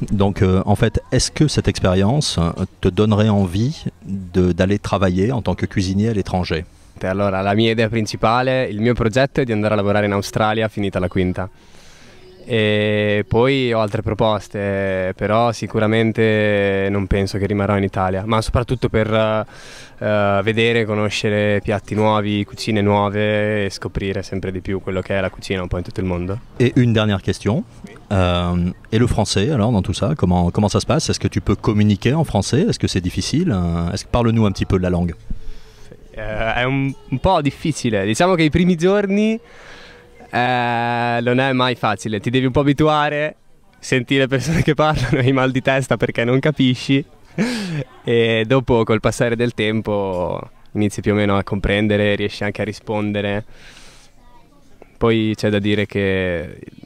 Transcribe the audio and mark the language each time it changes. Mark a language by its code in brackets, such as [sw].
[fr] Donc, en fait, est-ce que cette expérience te donnerait envie d'aller travailler en tant que cuisinier à l'étranger? [it] Allora, la mia idea principale, il mio progetto è di andare a lavorare in Australia finita la quinta. E poi ho altre proposte, però sicuramente non penso che rimarrò in Italia, ma soprattutto per vedere, conoscere piatti nuovi, cucine nuove e scoprire sempre di più quello che è la cucina un po' in tutto il mondo. [fr] E une dernière question, et le français alors dans tout ça, comment ça se passe? Est-ce que tu peux communiquer en français? Est-ce que c'est difficile? Est-ce que parle-nous un petit peu de la langue? [it] È un po' difficile, diciamo che i primi giorni non è mai facile, ti devi un po' abituare, sentire le persone che parlano, i mal di testa perché non capisci, e dopo col passare del tempo inizi più o meno a comprendere, riesci anche a rispondere. Poi c'è da dire che